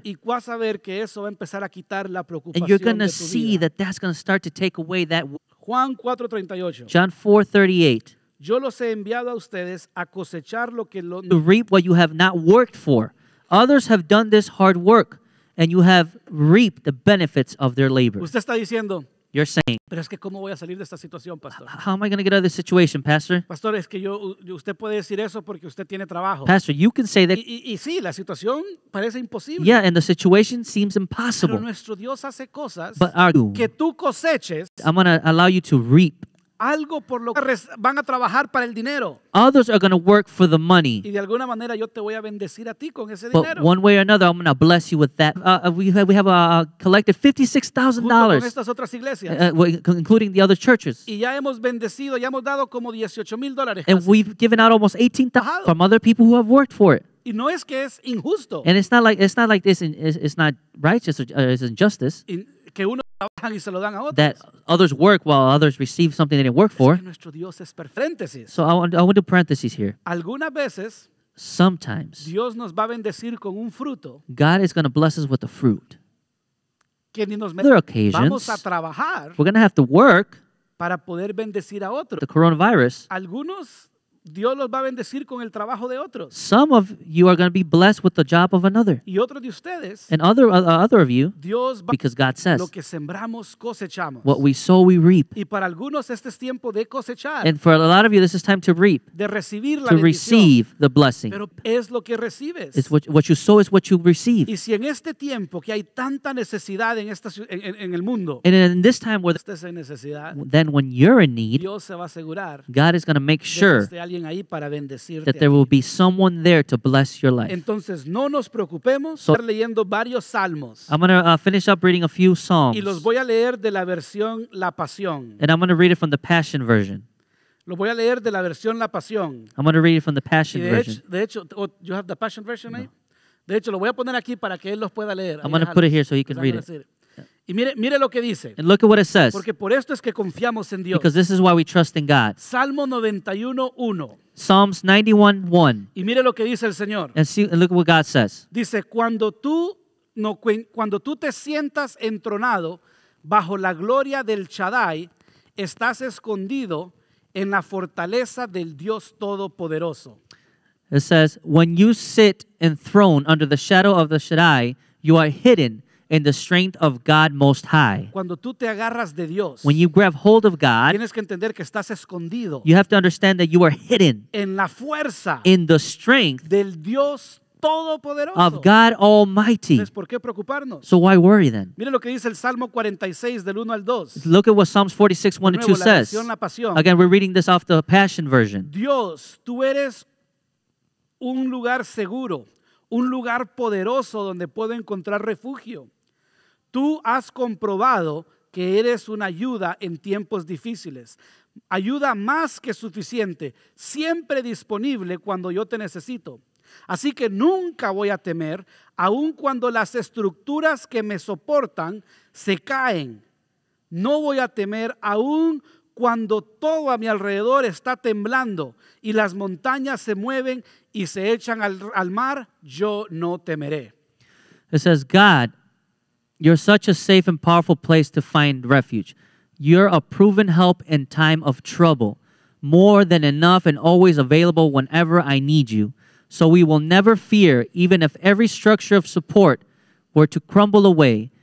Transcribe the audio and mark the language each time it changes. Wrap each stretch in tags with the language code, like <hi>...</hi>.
<es>Y vas a ver que eso va a empezar a quitar la preocupación.</es> <en>And you're going to see that that's going to start to take away that.</en> <es>Juan 4:38. Yo los he enviado a ustedes a cosechar lo que</es> <en>to reap what you have not worked for. Others have done this hard work and you have reaped the benefits of their labor.</en> <es>Usted está diciendo,</es> <en>you're saying,</en> <es>pero es que cómo voy a salir de esta situación, pastor?</es> <en>How am I going to get out of this situation, pastor?</en> <es>Pastor, es que usted puede decir eso porque usted tiene trabajo.</es> <en>Pastor, you can say that.</en> <es>Y sí, la situación parece imposible.</es> <en>Yeah, and the situation seems impossible.</en> <es>Pero nuestro Dios hace cosas que tú coseches.</es> <en>I'm going to allow you to reap.</en> <es>Algo por lo que van a trabajar para el dinero.</es> <en>Others are going to work for the money.</en> <es>Y de alguna manera yo te voy a bendecir a ti con ese</es> <en>but</en> <es>dinero.</es> <en>One way or another, I'm going to bless you with that. We have collected $56,000.</en> <es>Junto con estas otras iglesias.</es> <en>Including the other churches.</en> <es>Y ya hemos bendecido, ya hemos dado como $18,000.</es> <en>And we've given out almost $18,000 from other people who have worked for it.</en> <es>Y no es que es injusto.</es> <en>And it's not like this. It's not righteous or it's injustice.</en> <es>Que uno trabaja y se lo dan a otros.</es> <en>That others work while others receive something they didn't work for.</en> <es>Es que nuestro Dios es paréntesis.</es> <en>So I want to parenthesis here.</en> <es>Algunas veces,</es> <en>sometimes,</en> <es>Dios nos va a bendecir con un fruto.</es> <en>God is going to bless us with a fruit.</en> <es>Que ni nos</es> <en>other occasions,</en> <es>vamos a trabajar.</es> <en>We're going to have to work</en> <es>para poder bendecir a otros.</es> <en>The coronavirus.</en> <es>Algunos, Dios los va a bendecir con el trabajo de otros.</es> <en>Some of you are going to be blessed with the job of another.</en> <es>Y otros de ustedes.</es> <en>And other of you.</en> <es>Dios va,</es> <en>because God says.</en> <es>Lo que sembramos cosechamos.</es> <en>What we sow we reap.</en> <es>Y para algunos este es tiempo de cosechar.</es> <en>And for a lot of you this is time to reap.</en> <es>De recibir la</es> <en>to</en> <es>bendición.</es> <en>To receive the blessing.</en> <es>Pero es lo que recibes.</es> <en>It's what you sow is what you receive.</en> <es>Y si en este tiempo que hay tanta necesidad en el mundo.</es> <en>And in this time where</en> <es>estés en necesidad.</es> <en>Then when you're in need.</en> <es>Dios se va a asegurar.</es> <en>God is going to make sure.</en> <es>Ahí para bendecirte</es> <en>that there will be someone there to bless your life.</en> <es>Entonces, no nos preocupemos. So, estar leyendo varios salmos.</es> <en>I'm going to finish up reading a few psalms.</en> <es>Y los voy a leer de la versión La Pasión.</es> <en>And I'm going to read it from the Passion Version.</en> <es>Lo voy a leer de la versión La Pasión.</es> <en>I'm going to read it from the Passion Version.</en> <es>De hecho,</es> <en>you have the Passion Version, no.</en> <es>De hecho, lo voy a poner aquí para que él los pueda leer.</es> <en>I'm going to put it here so he can read it.</en> <es>Y mire lo que dice.</es> <en>And look at what it says.</en> <es>Porque por esto es que confiamos en Dios.</es> <en>Because this is why we trust in God.</en> <es>Salmo 91:1.</es> <en>Psalms 91:1.</en> <es>Y mire lo que dice el Señor.</es> <en>And look at what God says.</en> <es>Dice, cuando tú te sientas entronado bajo la gloria del Shaddai, estás escondido en la fortaleza del Dios Todopoderoso.</es> <en>It says, when you sit enthroned under the shadow of the Shaddai, you are hidden in the strength of God Most High.</en> <es>Cuando tú te agarras de Dios,</es> <en>when you grab hold of God,</en> <es>tienes que entender que estás escondido.</es> <en>You have to understand that you are hidden</en> <es>en la fuerza,</es> <en>in the strength</en> <es>del Dios Todopoderoso,</es> <en>of God Almighty.</en> <es>Entonces, ¿por qué preocuparnos?</es> <en>So why worry then?</en> <es>Mira lo que dice el Salmo 46, del 1 al 2.</es> <en>Look at what Psalms 46, 1 and 2 says. Again, we're reading this off the Passion Version.</en> <es>Dios, tú eres un lugar seguro. Un lugar poderoso donde puedo encontrar refugio. Tú has comprobado que eres una ayuda en tiempos difíciles. Ayuda más que suficiente, siempre disponible cuando yo te necesito. Así que nunca voy a temer, aun cuando las estructuras que me soportan se caen. No voy a temer aun cuando todo a mi alrededor está temblando y las montañas se mueven y se echan al mar, yo no temeré.</es> <en>It says, God, You're such a safe and powerful place to find refuge. You're a proven help in time of trouble, more than enough and always available whenever I need you. So we will never fear, even if every structure of support were to crumble away.</en>